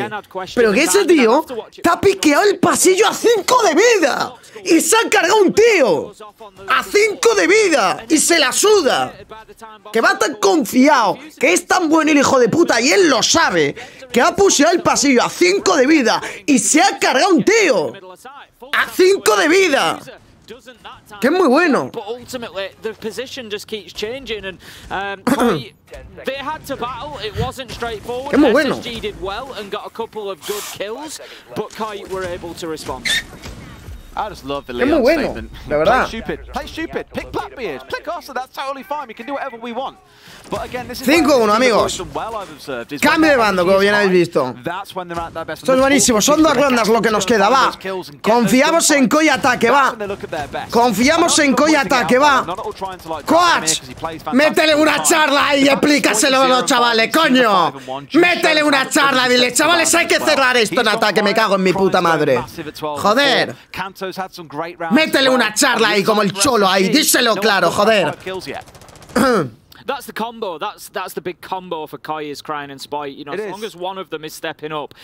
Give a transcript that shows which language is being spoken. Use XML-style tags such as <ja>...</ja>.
<es>Again, Pero que ese tío está piqueado el pasillo a 5 de vida y se ha cargado un tío a 5 de vida y se la suda. Que va tan confiado, que es tan bueno el hijo de puta y él lo sabe, que ha pusheado el pasillo a 5 de vida y se ha cargado un tío a 5 de vida. Que es muy bueno.</es> <en>But ultimately, the position just keeps changing, and they had to battle. It wasn't straightforward.</en> <es>Es muy bueno.</es> <en>SSG did well and got a couple of good kills, but Kite were able to respond. I just love the Leon</en> <es>bueno,</es> <en>statement. Play stupid. Play stupid. Pick Blackbeard. Click Oster. That's totally fine. We can do whatever we want. But again, this is 5-1, amigos.</en> <es>Well, cambio de bando, como bien habéis visto. Esto es buenísimo. Son dos rondas lo que nos queda, va. Confiamos en Koi ataque, va. Confiamos en Koi ataque, va. Coach, métele una charla y explícaselo a los chavales, coño. Métele una charla y dile, chavales, hay que cerrar esto en ataque. Me cago en mi puta madre. Joder. Métele una charla ahí como el cholo ahí. Díselo claro, joder.</es> <en>That's the combo. That's the big combo for Koi is Crying and Spite. You know, as long as one of them is stepping up,</en>